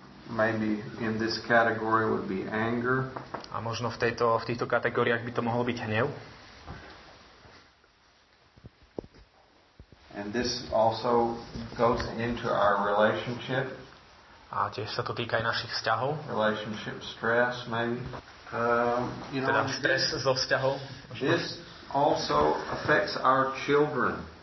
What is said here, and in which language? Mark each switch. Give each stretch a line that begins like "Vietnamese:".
English: Maybe in this category would be anger.
Slovak: A možno v týchto kategóriách by to mohol byť hnev.
English: And this also goes into our relationship.
Slovak: A tiež sa to týka aj našich vzťahov.
English: Relationship stress maybe.
Slovak: Teda stres zo vzťahov.
English: This also affects our children.